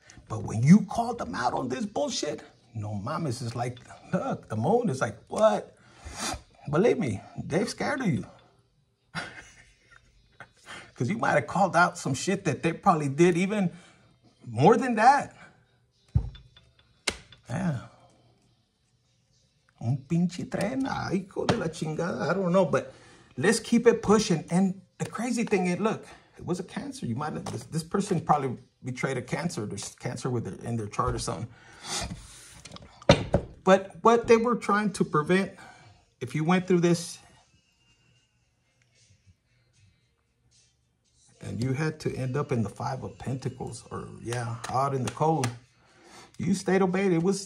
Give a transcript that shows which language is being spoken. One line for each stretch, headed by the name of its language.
English: But when you called them out on this bullshit,
Spanish: no mames,
English: it's like, look, the moon is like, what? Believe me, they're scared of you. Because you might have called out some shit that they probably did even more than that. Yeah.
Spanish: Un pinche tren, hijo de la chingada.
English: I don't know, but let's keep it pushing. And the crazy thing is, look, it was a Cancer. You might have, this person probably betrayed a Cancer. There's Cancer in their chart or something. But what they were trying to prevent, if you went through this and you had to end up in the Five of Pentacles out in the cold, you stayed obeyed.